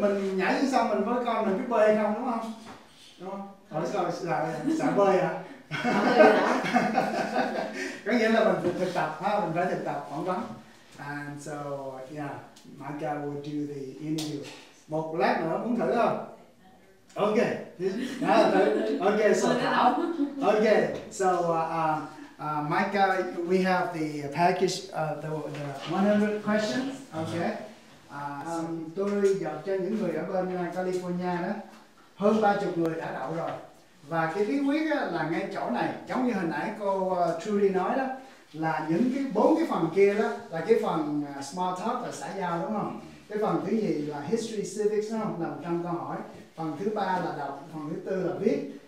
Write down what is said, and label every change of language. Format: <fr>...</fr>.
<vi>mình nhảy xuống sông mình với con mình biết bơi không đúng không? Hỏi rồi sợ bơi à? Có nghĩa là mình phải thực tập ha, mình phải thực tập phỏng vấn.</vi> <en>And so, yeah, my guy will do the interview.</en> <vi>Một lát nữa, muốn thử không?</vi> <en>Okay. Okay, so how? Okay, so Micah, we have the package, the 100 questions, okay?</en> <vi>Tôi dọc cho những người ở bên California đó, hơn 30 người đã đậu rồi. Và cái bí quyết là ngay chỗ này, giống như hồi nãy cô Trudy nói đó, là những cái bốn cái phần kia đó, là cái phần small talk và xã giao đúng không? Cái phần thứ gì là history, civics đúng không? Là 100 câu hỏi. Phần thứ ba là đọc, phần thứ tư là viết.</vi>